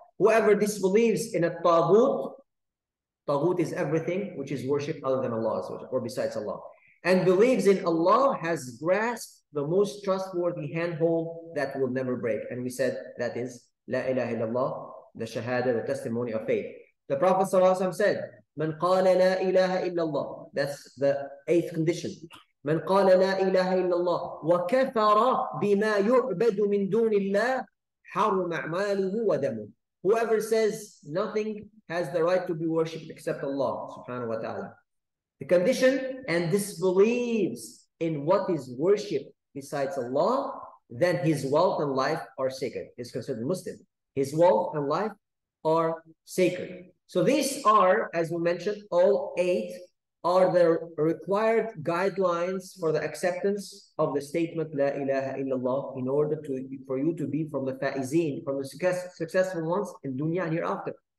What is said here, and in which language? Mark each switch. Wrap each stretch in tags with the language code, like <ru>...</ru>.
<en>Whoever disbelieves in a tawgut, tawgut is everything which is worshipped other than Allah azza wa jalla, or besides Allah, and believes in Allah, has grasped the most trustworthy handhold that will never break. And we said that is La ilaha illallah, the shahada, the testimony of faith. The Prophet sallallahu alaihi wasallam said,</en> <ar>من قال لا إله إلا الله.</ar> <en>That's the eighth condition.</en> <ar>من قال لا إله إلا الله وكفر بما يعبد من دون الله حرم أعماله ودمه.</ar> <en>Whoever says nothing has the right to be worshipped except Allah subhanahu wa ta'ala. The condition, and disbelieves in what is worshipped besides Allah, then his wealth and life are sacred. He's considered Muslim. His wealth and life are sacred. So these are, as we mentioned, all eight are the required guidelines for the acceptance of the statement La ilaha illallah in order to for you to be from the faizin, from the successful ones in dunya and hereafter.</en>